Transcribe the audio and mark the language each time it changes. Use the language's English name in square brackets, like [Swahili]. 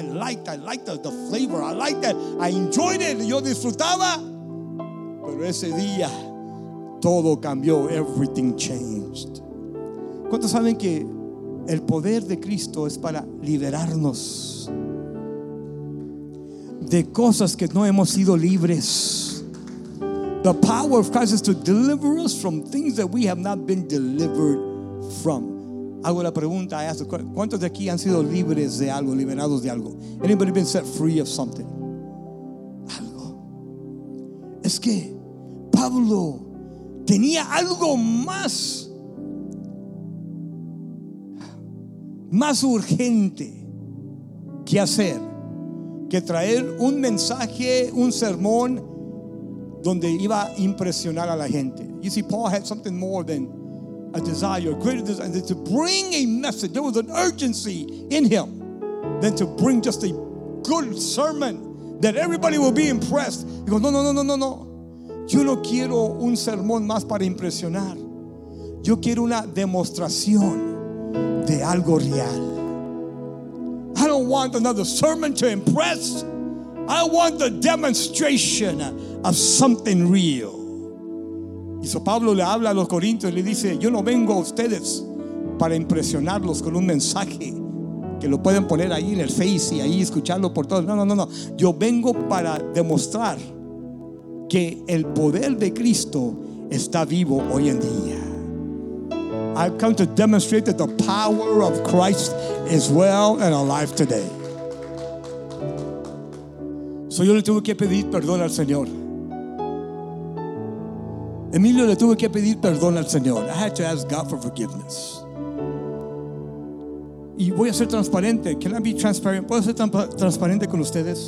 [English] I liked the flavor. I liked that. I enjoyed it. [Spanish] Yo disfrutaba. Pero ese día todo cambió. [English] Everything changed. [Spanish] ¿Cuántos saben que el poder de Cristo es para liberarnos de cosas que no hemos sido libres? [English] The power of Christ is to deliver us from things that we have not been delivered from. [Spanish] Hago la pregunta, [English] I ask the question, [Spanish] ¿cuántos de aquí han sido libres de algo, liberados de algo? [English] Anybody been set free of something? Algo. [Spanish] Es que Pablo tenía algo más urgente que hacer que traer un mensaje, un sermón donde iba a impresionar a la gente. [English] You see, Paul had something more than a desire, a greater desire, than to bring a message. There was an urgency in him than to bring just a good sermon that everybody will be impressed. He goes, no. [Spanish] Yo no quiero un sermón más para impresionar. Yo quiero una demostración de algo real. [English] I don't want another sermon to impress. I want the demonstration of something real. [Spanish] Y eso Pablo le habla a los corintios y le dice: yo no vengo a ustedes para impresionarlos con un mensaje que lo pueden poner ahí en el Face y ahí escucharlo por todos. No. Yo vengo para demostrar que el poder de Cristo está vivo hoy en día. [English] I've come to demonstrate that the power of Christ is well and alive today. [Spanish] So yo le tuve que pedir perdón al Señor. Emilio le tuve que pedir perdón al Señor. [English] I had to ask God for forgiveness. [Spanish] Y voy a ser transparente. [English] Can I be transparent? [Spanish] ¿Puedo ser transparente con ustedes?